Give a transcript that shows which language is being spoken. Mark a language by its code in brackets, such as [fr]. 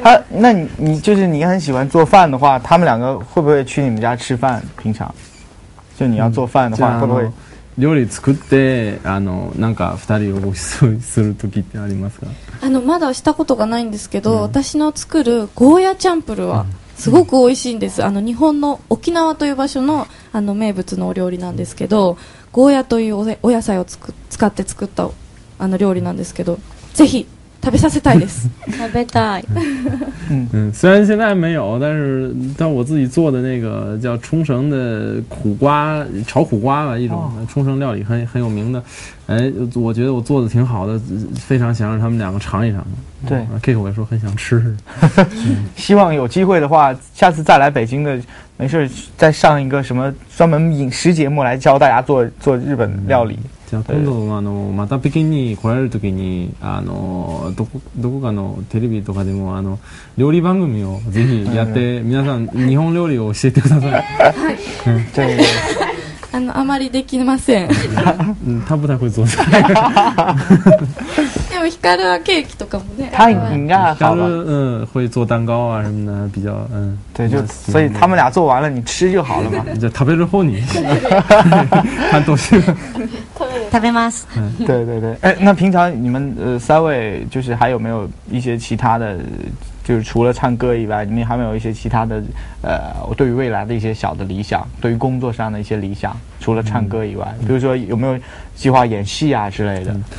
[zh] 那你就是你很喜欢做饭的话，他们两个会不会去你们家吃饭？平常，就你要做饭的话，会不会？ [ja] 料理作って、なんか二人をごちそうする時ってありますか？まだしたことがないんですけど、私の作るゴーヤチャンプルはすごく美味しいんです。日本の沖縄という場所の名物のお料理なんですけど、ゴーヤというお野菜を使って作った。料理なんですけど、ぜひ食べさせたいです。食べたい。 [zh] 虽然现在没有，但我自己做的那个叫冲绳的苦瓜炒苦瓜吧，一种冲绳料理很有名的。我觉得我做的挺好的，非常想让他们两个尝一尝。对，Kiko 也说很想吃。希望有机会的话，下次再来北京的，没事再上一个什么专门饮食节目来教大家做日本料理。 [ja] じゃあ今度また北京に来られるときに、どこかのテレビとかでも料理番組をぜひやって、皆さん日本料理を教えてください。はい。あまりできません。たぶたぶぞ。でもヒカルはケーキとかもね。 [zh] 他应该好吧。ヒカル会做蛋糕啊什么的，比较对，就所以他们俩做完了，你吃就好了嘛。 [ja] じゃ食べる方に。 [zh] 看东西。 [ja] 食べます。 [zh] 对，那平常你们三位就是还有没有一些其他的，就是除了唱歌以外，你们还没有一些其他的我对于未来的一些小的理想，对于工作上的一些理想，除了唱歌以外，比如说有没有计划演戏啊之类的？